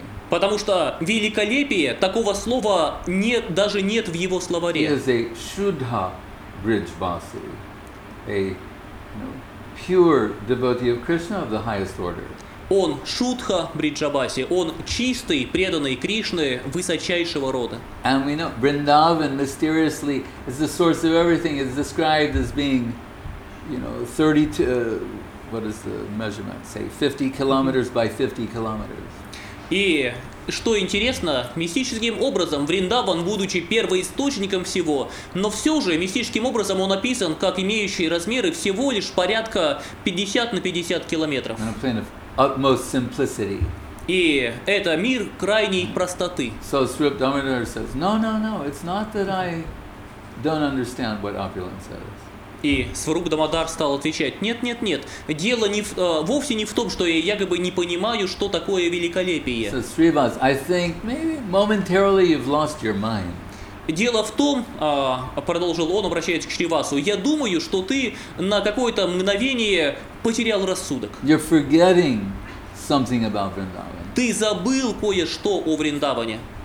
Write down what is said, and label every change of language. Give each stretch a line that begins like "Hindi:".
Russian: Потому что великолепие, такого слова нет, даже нет в его словаре.
English: He is a Shuddha Brijvasi, a, you know, pure devotee of Krishna of the highest order.
Russian: Он Шудха Бриджабаси, он чистый, преданный Кришне высочайшего рода.
English: And we know Vrindavan mysteriously is the source of everything. It's described as being, you know, 32, what is the measurement? Say 50 kilometers by 50 kilometers.
Russian: И что интересно, мистическим образом Вриндаван, будучи первоисточником всего, но все же мистическим образом он описан как имеющий размеры всего лишь порядка 50 на 50 километров.
English: Utmost simplicity.
Russian: И это мир крайней простоты.
English: So Srivasa Damodara says, no, it's not that I don't understand what opulence is.
Russian: И Сварупа Дамодара стал отвечать, нет, дело не в, вовсе не в том, что я якобы не понимаю, что такое великолепие.
English: So Srivas, I think maybe momentarily you've lost your mind.
Russian: Дело в том, продолжил он, обращаясь к Шривасу, я думаю, что ты на какое-то мгновение потерял рассудок.
English: You're forgetting something about Vrindavan.
Russian: Ты забыл кое-что о Вриндаване.